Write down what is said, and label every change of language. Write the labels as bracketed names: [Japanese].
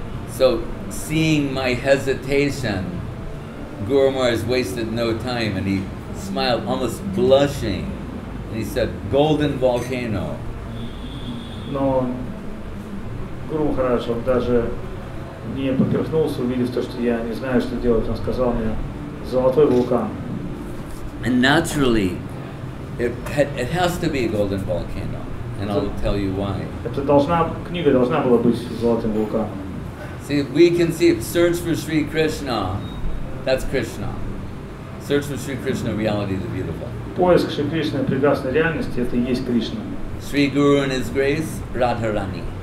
[English] So seeing my hesitation, Гуру Махарадж wasted no time, and he smiled, almost blushing. And he said, "Golden volcano." [Russian] Но Гуру Махарадж даже не поперхнулся, увидев то, что я не знаю, что делать. Он сказал мне, "Золотой вулкан." [English] And naturally, it has to be a golden volcano, and I'll tell you why. [Russian] Это должна книга должна была быть золотым вулканом. [English] See, we can see it. Search for Sri Krishna. That's Krishna. Search for Sri Krishna. Reality, the beautiful. [Russian] Поиск Шри Кришны прекрасной реальности — это и есть Кришна. [English] Шри Гуру and His Grace, Радхарани.